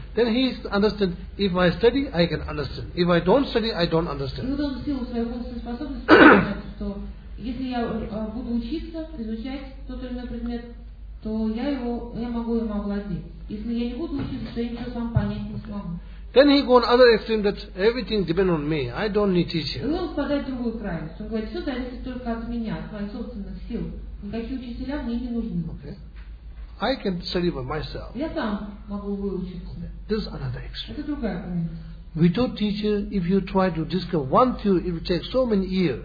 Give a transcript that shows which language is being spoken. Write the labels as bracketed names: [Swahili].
[English] Then he understands, if I study, I can understand. If I don't study, I don't understand. [Russian] И вот он в силу своих умственных способностей понимает, что если я буду учиться, изучать тот или иной предмет, то я могу им овладеть. Если я не буду учиться, то я ничего сам понять не смогу. [English] Then he goes on other extreme that everything depends on me. I don't need teacher. [Russian] Он впадает в другую крайность. Он говорит, все зависит только от меня, от моих собственных сил. Никакие учителя мне не нужны. [English] Okay. I can study by myself. [Russian] Я сам могу выучиться. [English] This is another extreme. [Russian] Это другая крайность. [English] Without teacher, if you try to discover one theory, it will take so many years.